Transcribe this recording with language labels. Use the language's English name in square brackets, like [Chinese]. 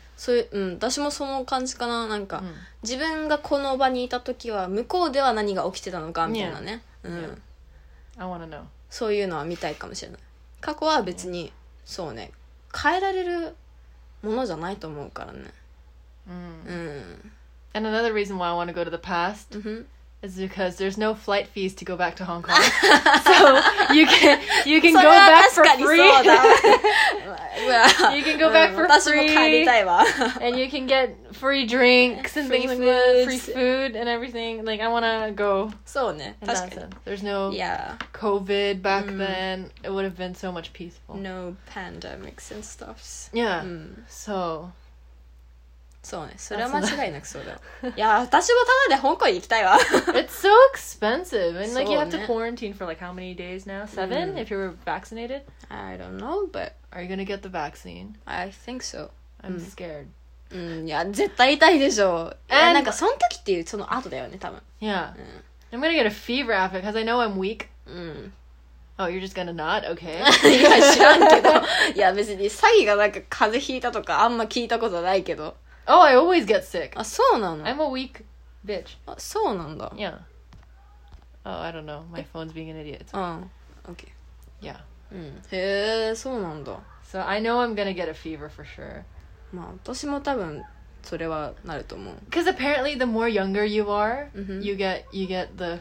[Japanese] そういう、私もその感じかな。なんか、自分がこの場にいた時は向こうでは何が起きてたのかみたいなね。 [English] Yeah. I wanna know. [Japanese] そういうのは見たいかもしれない。過去は別に、そうね、変えられるものじゃないと思うからね。 [English] And another reason why I want to go to the past is because there's no flight fees to go back to Hong Kong. So you can go back for free. You can go back for free. And you can get free drinks and things like that. Free food and everything. Like, I want to go. So, ne. There's no COVID back then. It would have been so much peaceful. No pandemics and stuff. Yeah. So... [Japanese] そうね。それは間違いなくそうだよ。いや、私もただで香港行きたいわ。 [English] It's so expensive. And like, you have to quarantine for like how many days now? Seven? If you were vaccinated? I don't know, but... Are you gonna get the vaccine? I think so. I'm scared. [Japanese] うん、いや、絶対痛いでしょ。え、なんかその時っていうその後だよね、多分。 [English] Yeah. I'm gonna get a fever after, because I know I'm weak. Oh, you're just gonna not? Okay. [Japanese] いや、知らんけど。いや、別に、詐欺がなんか風邪ひいたとかあんま聞いたことないけど。 [English] Oh, I always get sick. [Japanese] あ、そうなの? [English] I'm a weak bitch. [Japanese] あ、そうなんだ。 [English] Yeah. Oh, I don't know. My phone's being an idiot. [Japanese] うん。 [English] Okay. Yeah. [Japanese] うん。へー、そうなんだ。 [English] So, I know I'm gonna get a fever for sure. [Japanese] まあ、私も多分それはなると思う。 [English] Because apparently the more younger you are,、you get the